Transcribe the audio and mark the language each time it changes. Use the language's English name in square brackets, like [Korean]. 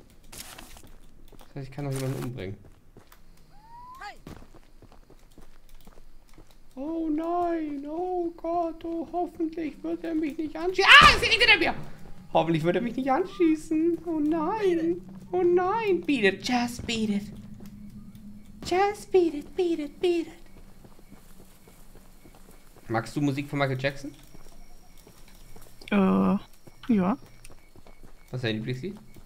[German] Das heißt, ich kann noch jemanden umbringen. Oh nein, oh Gott, oh, hoffentlich wird er mich nicht anschießen. Ah, ist hinter mir! Hoffentlich wird er mich nicht anschießen. Oh nein, oh nein. [English] Beat it, just beat it. Just beat it, beat it, beat it. [German] Magst du Musik von Michael Jackson? Ja. Was ist dein Lieblingslied?